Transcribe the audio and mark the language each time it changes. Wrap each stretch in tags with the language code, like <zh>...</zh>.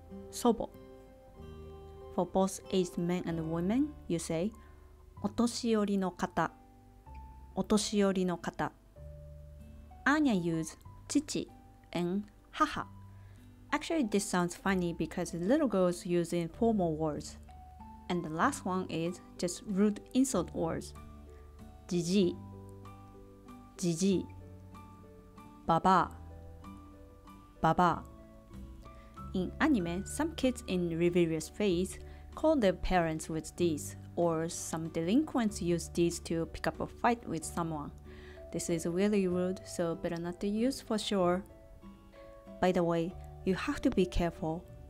<en>祖母 For both aged men and women, you say</en> <ja>お年寄りの方お年寄りの方</ja> <en>Anya used 父 and 母 Actually, this sounds funny because little girls use informal words. And the last one is just rude insult words.</en> <ja>ジジイジジイババアババア</ja> <en>In anime, some kids in rebellious phase call their parents with these, or some delinquents use these to pick up a fight with someone. This is really rude, so better not to use for sure. By the way, you have to be careful.</en>